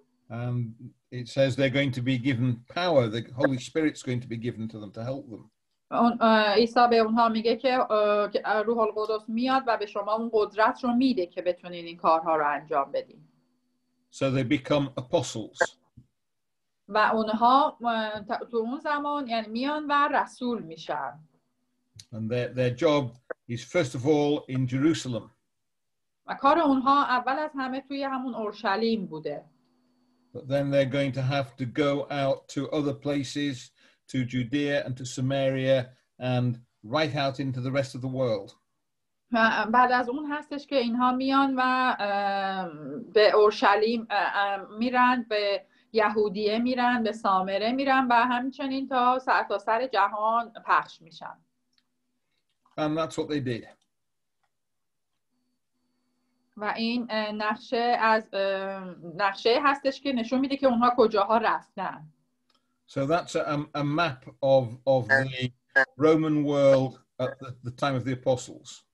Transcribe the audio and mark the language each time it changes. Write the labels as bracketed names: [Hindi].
[English] And it says they're going to be given power, the Holy Spirit's going to be given to them to help them. [Persian] عیسی به اونها میگه که روح القدس میاد و به شما اون قدرت رو میده که بتونین این کارها رو انجام بدین. [English] So they become apostles. [Persian] و اونها تو اون زمان یعنی میان و رسول میشن. [English] And their job is first of all in Jerusalem. [Persian] و کار اونها اول از همه توی همون اورشلیم بوده. [English] But then they're going to have to go out to other places, to Judea and to Samaria, and right out into the rest of the world. [Persian] بعد از اون هستش که اینها میان و به اورشلیم میرن به یهودیه میرن به سامره میرن و همچنین تا سرتاسر جهان پخش میشن. [English] And that's what they did. [Persian] و این نقشه از نقشه هستش که نشون میده که اونها کجاها رفتن. [English] So that's a map of the Roman world at the time of the apostles.